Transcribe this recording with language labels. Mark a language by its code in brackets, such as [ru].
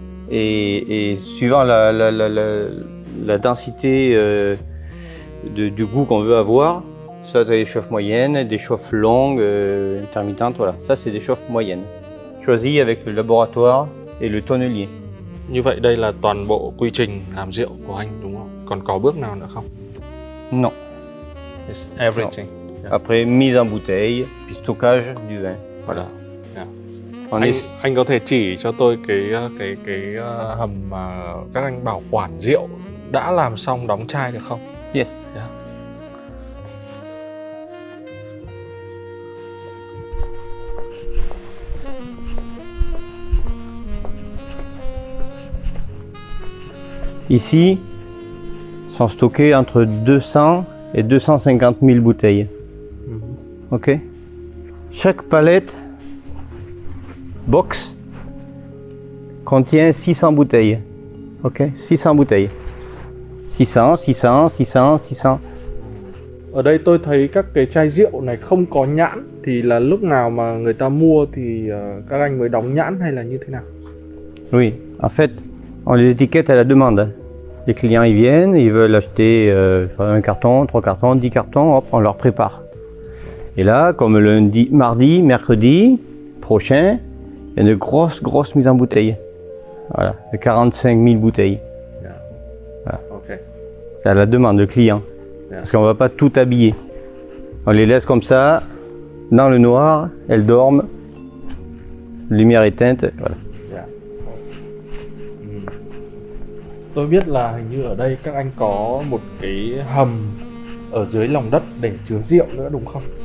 [fr] Et suivant la densité du goût qu'on veut avoir, soit des chauffes moyennes, des chauffes longues, intermittentes, voilà. Ça, c'est des chauffes moyennes, choisies avec le laboratoire et le tonnelier. [vi] Như vậy, đây là toàn bộ quy trình làm rượu của anh, đúng không? Còn có bước nào nữa không? [fr] Non. [en] It's everything. Non. [fr] Après mise en bouteille, puis stockage du vin. Voilà. Yeah. [vi] Anh có thể chỉ cho tôi cái hầm mà các anh bảo quản rượu đã làm xong đóng chai được không? [en] Yes. Yeah. [fr] Ici, sont stockés entre 200 et 250 000 bouteilles. OK. Chaque palette box contient 600 bouteilles. OK, 600 bouteilles. 600, 600, 600, 600. [vi] Ở đây tôi thấy các cái chai rượu này không có nhãn thì là lúc nào mà người ta mua thì các anh mới đóng nhãn hay là như thế nào? [fr] Oui, en fait, on les étiquette à la demande. Les clients ils viennent, ils veulent acheter un carton, trois cartons, 10 cartons, hop, on leur prépare. Et là, comme lundi, mardi, mercredi prochain, il y a une grosse, grosse mise en bouteille. Voilà, 45 000 bouteilles. Yeah. Voilà. Okay. C'est à la demande du client. Yeah. Parce qu'on ne va pas tout habiller. On les laisse comme ça, dans le noir, elles dorment, lumière éteinte, voilà. [vi] Tôi biết là hình như ở đây các anh có một cái hầm ở dưới lòng đất để chứa rượu nữa đúng không?